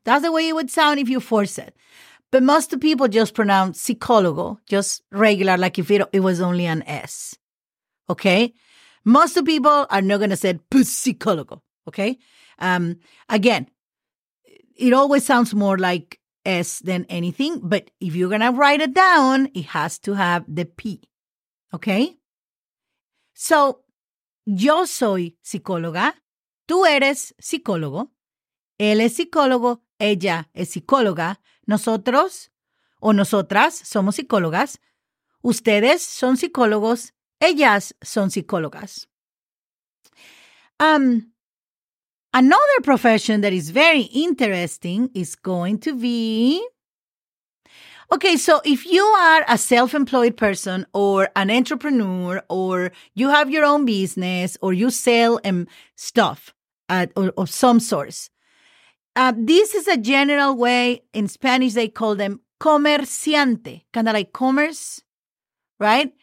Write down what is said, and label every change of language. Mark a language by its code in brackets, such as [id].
[en] That's the way it would sound if you force it. But most people just pronounce psicólogo, just regular, like if it was only an S. Okay? Most people are not going to say psicólogo. Okay? Again, it always sounds more like S than anything, but if you're going to write it down, it has to have the P, okay? [es] So, yo soy psicóloga, tú eres psicólogo, él es psicólogo, ella es psicóloga, nosotros o nosotras somos psicólogas, ustedes son psicólogos, ellas son psicólogas. [en] Another profession that is very interesting is going to be, okay, so if you are a self-employed person or an entrepreneur, or you have your own business, or you sell stuff of some sort, this is a general way in Spanish they call them comerciante, kind of like commerce, right?